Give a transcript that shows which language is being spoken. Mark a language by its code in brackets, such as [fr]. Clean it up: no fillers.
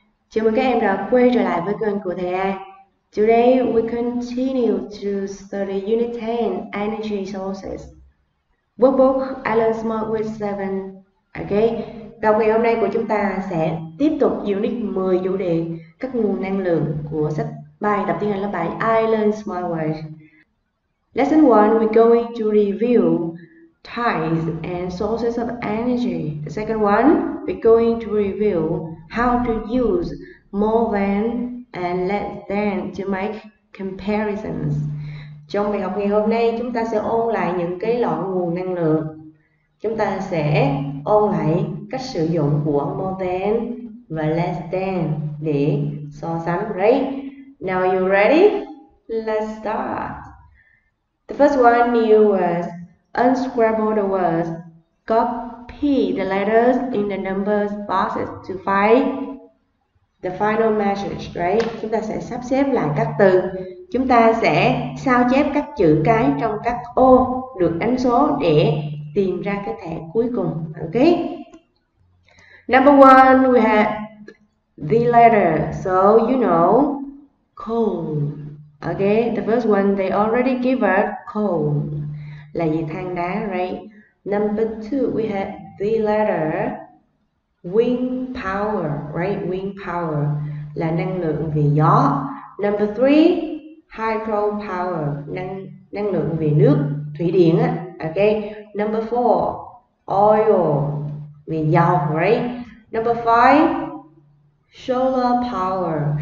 [vi] Chào mừng các em đã quay trở lại với kênh của Thầy An. [en] Today we continue to study Unit 10, Energy Sources. Workbook I learned smart with 7. [vi] Okay, trong ngày hôm nay của chúng ta sẽ tiếp tục Unit 10 chủ đề các nguồn năng lượng của sách bài tập tiếng Anh lớp 7 I learned smart with. [en] Lesson 1, we're going to review types and sources of energy. The second one, we're going to review how to use more than and less than to make comparisons. [vi] Trong bài học ngày hôm nay, chúng ta sẽ ôn lại những cái loại nguồn năng lượng. Chúng ta sẽ ôn lại cách sử dụng của more than và less than để so sánh. [en] Right? Now you ready? Let's start. The first one, new words. Unscramble the words. Copy the letters in the numbers boxes to find the final message, right? [vi] Chúng ta sẽ sắp xếp lại các từ. Chúng ta sẽ sao chép các chữ cái trong các ô được đánh số để tìm ra cái thẻ cuối cùng. [en] Ok. Number one, we have the letter. So you know, cold. Okay, the first one, they already give us cold. [vi] Là gì than đá, [en] right? Number two, we have the letter wind power, right? [vi] Wind power là năng lượng về gió. [en] Number three, [vi] hydro power, năng lượng về nước, thủy điện á. Okay. [en] Number four, oil, [vi] về dầu, [en] right? Number five, solar power.